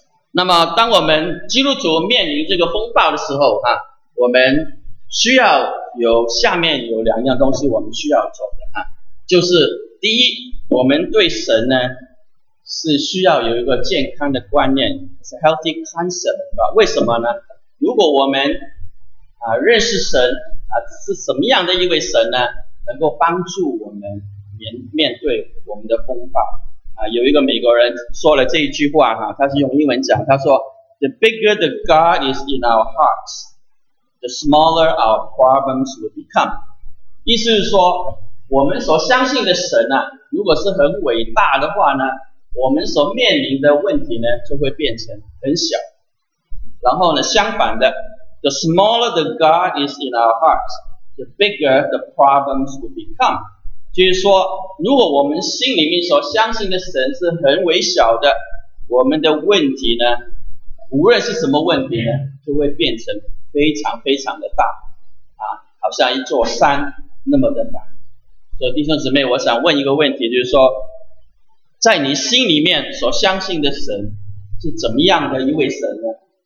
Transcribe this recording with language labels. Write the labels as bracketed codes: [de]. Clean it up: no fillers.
[zh] 那么当我们基督徒面临这个风暴的时候啊，我们需要有下面有两样东西我们需要做的啊，就是第一，我们对神呢是需要有一个健康的观念，是 [en] healthy concept。 [zh] 为什么呢？如果我们啊认识神啊是什么样的一位神呢，能够帮助我们面对我们的风暴啊。有一个美国人说了这一句话啊，他是用英文讲，他说 [en] The bigger the God is in our hearts, the smaller our problems will become. [zh] 意思是说我们所相信的神啊，如果是很伟大的话呢，我们所面临的问题呢就会变成很小。然后呢相反的， [en] The smaller the God is in our hearts, the bigger the problems will become. [zh] 就是说如果我们心里面所相信的神是很微小的，我们的问题呢无论是什么问题呢就会变成非常非常的大啊，好像一座山那么的大。所以弟兄姊妹，我想问一个问题，就是说在你心里面所相信的神是怎么样的一位神呢？